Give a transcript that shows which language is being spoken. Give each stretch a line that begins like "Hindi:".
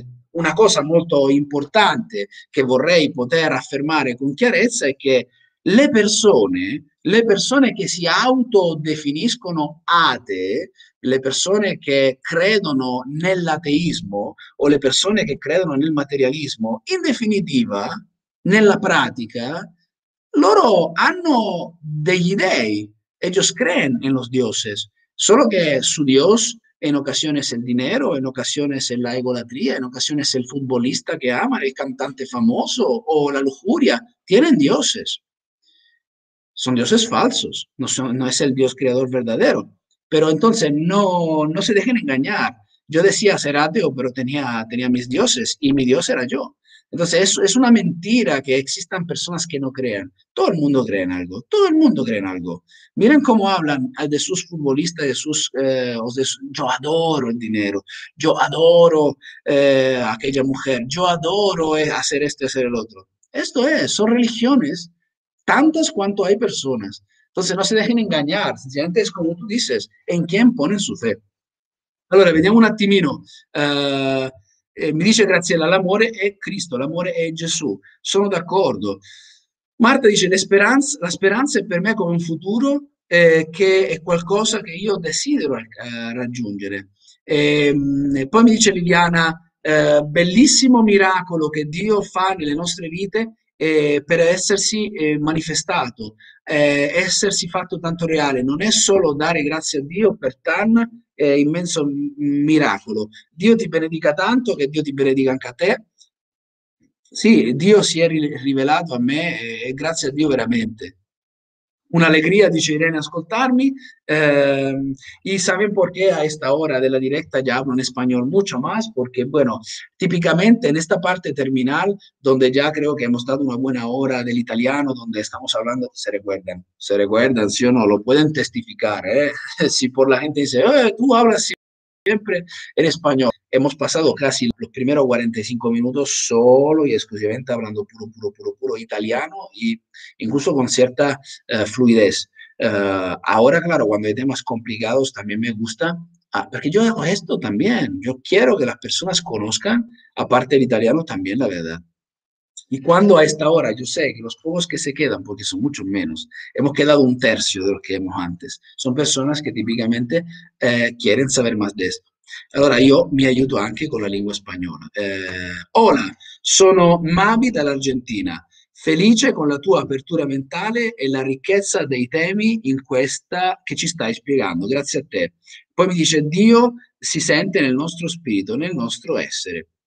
Italian: Una cosa molto importante che vorrei poter affermare con chiarezza è che le persone che si autodefiniscono atee, le persone che credono nell'ateismo o le persone che credono nel materialismo, in definitiva, nella pratica, loro hanno degli dèi.
Spanish: Ellos creen en los dioses, solo que su dios en ocasiones el dinero, en ocasiones la egolatría, en ocasiones el futbolista que aman, el cantante famoso o la lujuria, tienen dioses. Son dioses falsos, no es el dios creador verdadero. Pero entonces no se dejen engañar. Yo decía ser ateo, pero tenía mis dioses y mi dios era yo. Entonces es una mentira que existan personas que no crean. Todo el mundo cree en algo, todo el mundo cree en algo. Miren cómo hablan de sus futbolistas, de sus, yo adoro el dinero, yo adoro aquella mujer, yo adoro hacer esto, hacer el otro. Esto es, son religiones, tantas cuanto hay personas. Entonces no se dejen engañar, sencillamente es como tú dices, ¿en quién ponen su fe?
Italian: Allora, vediamo un attimino. Mi dice Graziella, l'amore è Cristo, l'amore è Gesù. Sono d'accordo. Marta dice, la speranza è per me come un futuro che è qualcosa che io desidero raggiungere. E poi mi dice Liliana, bellissimo miracolo che Dio fa nelle nostre vite per essersi manifestato, essersi fatto tanto reale. Non è solo dare grazie a Dio per Tan. Immenso miracolo. Dio ti benedica tanto, che Dio ti benedica anche a te. Sì, Dio si è rivelato a me e grazie a Dio veramente. Un'allegria, dice Irene, ascoltarmi.
Spanish: Y saben por qué a esta hora de la directa ya hablo en español mucho más, porque bueno, típicamente en esta parte terminal, donde ya creo que hemos dado una buena hora del italiano, donde estamos hablando, se recuerdan, sí o no, lo pueden testificar, ¿eh? Si por la gente dice, tú hablas siempre en español. Hemos pasado casi los primeros 45 minutos solo y exclusivamente hablando puro, puro, puro, puro italiano y incluso con cierta fluidez. Ahora, claro, cuando hay temas complicados también me gusta, porque yo hago esto también. Yo quiero que las personas conozcan, aparte del italiano, también la verdad. Y cuando a esta hora yo sé que los pocos que se quedan, porque son muchos menos, hemos quedado un tercio de los que hemos antes, son personas que típicamente quieren saber más de esto.
Italian: Allora, io mi aiuto anche con la lingua spagnola. Hola, sono Mavi dall'Argentina, felice con la tua apertura mentale e la ricchezza dei temi in questa che ci stai spiegando. Grazie a te. Poi mi dice, Dio si sente nel nostro spirito, nel nostro essere.